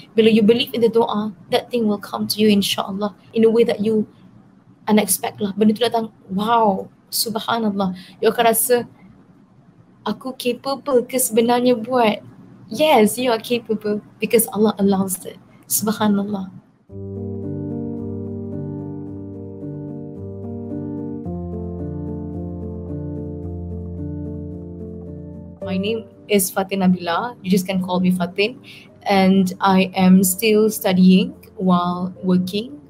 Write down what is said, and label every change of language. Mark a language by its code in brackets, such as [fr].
[en] bila you believe in the doa, that thing will come to you insyaAllah in a way that you unexpect lah. [ms] Benda tu datang, wow, subhanallah. You akan rasa, aku capable ke sebenarnya buat? [en] Yes, you are capable because Allah allows it. [ms] Subhanallah. [en] My name is Fatin Nabila. You just can call me Fatin. And I am still studying while working.